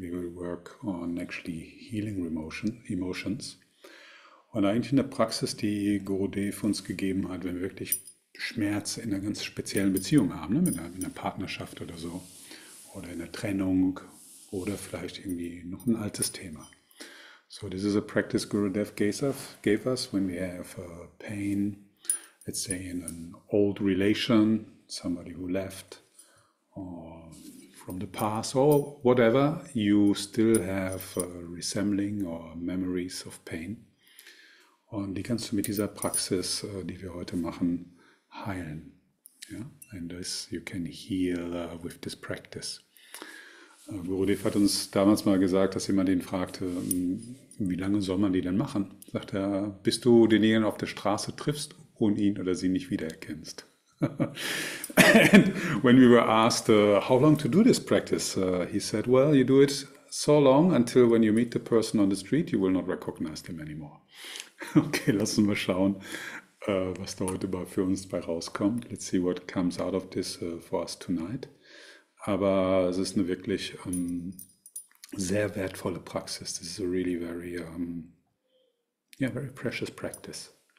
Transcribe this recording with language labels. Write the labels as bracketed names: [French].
[English] We will work on actually healing emotions. [German] Und eigentlich in der Praxis, die Gurudev uns gegeben hat, wenn wir wirklich Schmerz in einer ganz speziellen Beziehung haben, ne, in einer Partnerschaft oder so, oder in der Trennung oder vielleicht irgendwie noch ein altes Thema. [English] So, this is a practice Gurudev gave us when we have a pain, let's say in an old relation, somebody who left, or from the past, or whatever, you still have resembling or memories of pain. [German] Und die kannst du mit dieser Praxis, die wir heute machen, heilen. Ja? [English] And this you can heal with this practice. [German] Gurudev hat uns damals mal gesagt, dass jemand ihn fragte, wie lange soll man die denn machen? Sagt er, bis du denjenigen auf der Straße triffst und ihn oder sie nicht wiedererkennst. [English] And when we were asked, how long to do this practice, he said, well, you do it so long until when you meet the person on the street, you will not recognize them anymore. [German] Okay, lass uns mal schauen, was da heute bei für uns bei rauskommt. [English] Let's see what comes out of this for us tonight. [German] Aber es ist eine wirklich sehr wertvolle Praxis. [English] This is a really very, yeah, very precious practice.